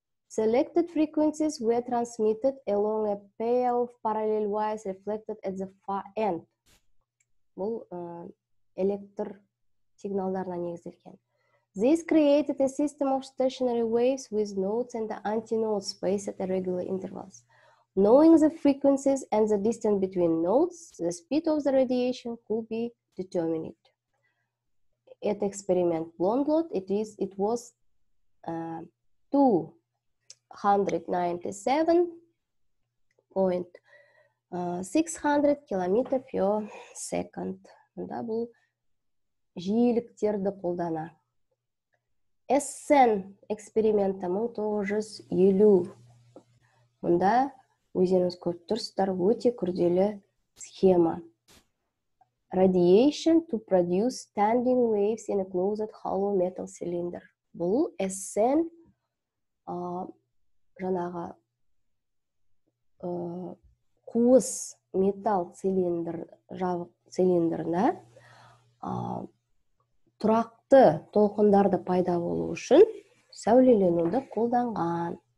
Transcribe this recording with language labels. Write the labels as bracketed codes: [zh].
[en] Selected frequencies were transmitted along a pair of parallel wires reflected at the far end. [kk] Бұл электр сигналдарына негізделген. [en] This created a system of stationary waves with nodes and antinodes spaced at irregular intervals. Knowing the frequencies and the distance between nodes, the speed of the radiation could be determined. At experiment Blondlot, it was 297.600 kilometers per second. [kk] Double жиіліктерді қолдана. SN эксперименті 1950. Мұнда өзеніз көріп тұрсыздар, өте күрделі схема. [en] Radiation to produce standing waves in a closed hollow metal cylinder. [kk] Бұл SN жаңағы қуыс метал цилиндр жабық цилиндрына тұрақты толқындарды пайда болу үшін сәулеленуді қолданған.